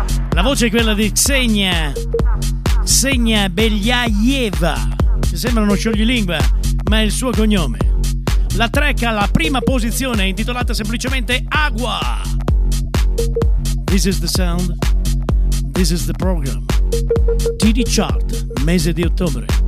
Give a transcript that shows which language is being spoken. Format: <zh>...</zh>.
<it>La voce è quella di Xenia Beliaeva, che sembra uno scioglilingua, ma è il suo cognome. La track alla prima posizione è intitolata semplicemente Agua.</it> <en>This is the sound, this is the program.</en> <it>TD Chart, mese di ottobre.</it>